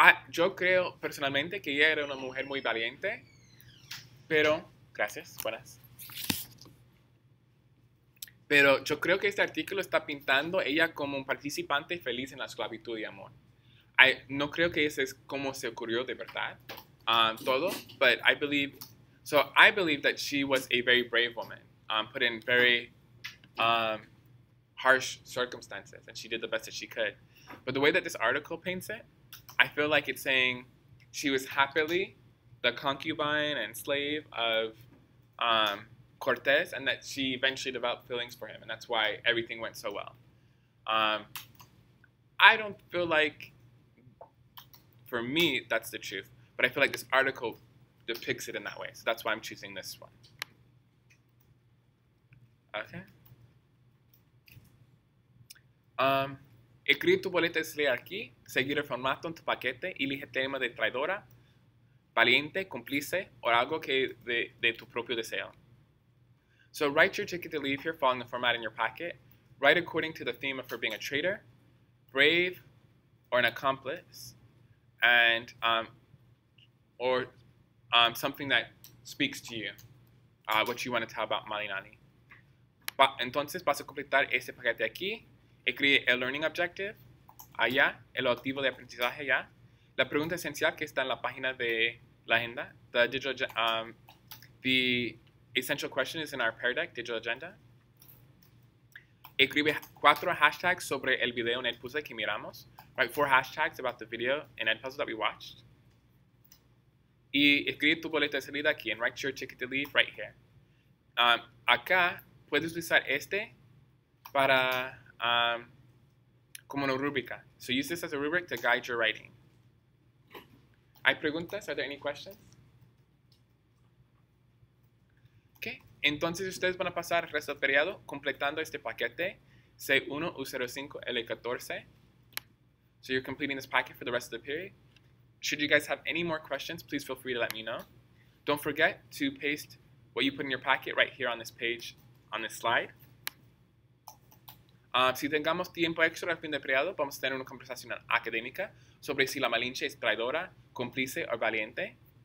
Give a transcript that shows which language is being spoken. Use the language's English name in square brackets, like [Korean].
[Spanish] Yo creo personalmente que ella era una mujer muy valiente. Pero, gracias, buenas. Pero yo creo que este artículo está pintando ella como un participante feliz en la esclavitud y amor. No creo que ese es como se ocurrió de verdad todo, [English] but I believe that she was a very brave woman, put in very harsh circumstances, and she did the best that she could. But the way that this article paints it, I feel like it's saying she was happily the concubine and slave of Cortez, and that she eventually developed feelings for him, and that's why everything went so well. I don't feel like, for me, that's the truth, but I feel like this article depicts it in that way, so that's why I'm choosing this one. Okay. [Spanish] Escribe tu boleta y lee aquí, seguir el formato en tu paquete, y elige tema de traidora, valiente, cómplice, o algo que de tu propio deseo. [English] So write your ticket to leave here following the format in your packet. Write according to the theme of her being a traitor, brave, or an accomplice, and or something that speaks to you, what you want to tell about Malinani. [Spanish] Entonces vas a completar ese paquete aquí. Escribe el learning objective allá, el objetivo de aprendizaje allá, la pregunta esencial que está en la página de la agenda, [English] the digital the essential question is in our pair deck, digital agenda. [Spanish] Escribe 4 hashtags sobre el video en el puzzle que miramos. [English] Write 4 hashtags about the video in el puzzle that we watched. [Spanish] Y escribe tu boleta de salida aquí [English] and write your ticket to leave right here. [Spanish] Acá puedes usar este para como una rúbrica. [English] So use this as a rubric to guide your writing. [Spanish] ¿Hay preguntas? [English] Are there any questions? [Spanish] Entonces ustedes van a pasar el resto del periodo completando este paquete C1U05L14. [English] So you're completing this packet for the rest of the period. Should you guys have any more questions, please feel free to let me know. Don't forget to paste what you put in your packet right here on this page, on this slide. [Spanish] Si tengamos tiempo extra al fin del periodo, vamos a tener una conversación académica sobre si la Malinche es traidora, cómplice o valiente.